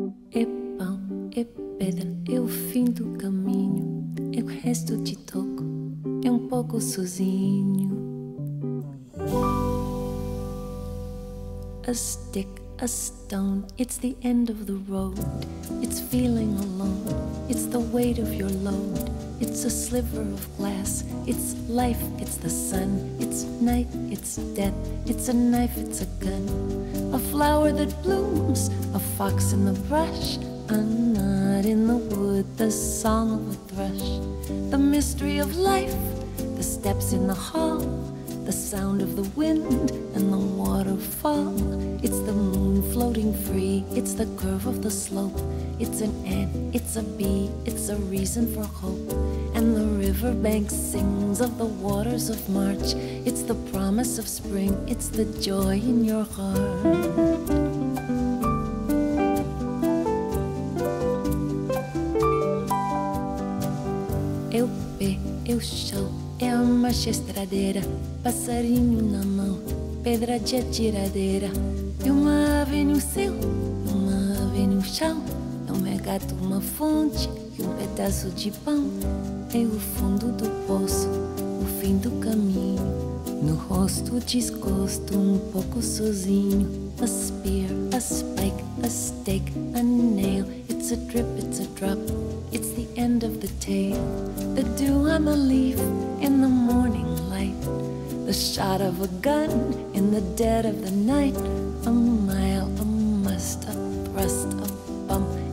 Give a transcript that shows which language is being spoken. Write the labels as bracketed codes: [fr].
[pt] É pão, é pedra, é o fim do caminho. É o resto de toco, é um pouco sozinho. [en] A stick, a stone, it's the end of the road. It's feeling alone, it's the weight of your load. It's a sliver of glass, it's life, it's the sun. It's night, it's death, it's a knife, it's a gun. A flower that blooms, a fox in the brush. A nut in the wood, the song of a thrush. The mystery of life, the steps in the hall. The sound of the wind and the waterfall. It's the moon floating free, it's the curve of the slope. It's an ant, it's a bee, it's a reason for hope. And the riverbank sings of the waters of March. It's the promise of spring, it's the joy in your heart. [pt] Eu pé, eu chão, é a marcha estradeira. Passarinho na mão, pedra de atiradeira. E uma ave no céu, uma ave no chão. Gato, uma fonte e um pedaço de pão. É o fundo do poço, o fim do caminho. No rosto desgosto, um pouco sozinho. [en] A spear, a spike, a stake, a nail. It's a drip, it's a drop, it's the end of the tale. The dew on the leaf in the morning light. The shot of a gun in the dead of the night. A mile, a must, a thrust, a bump.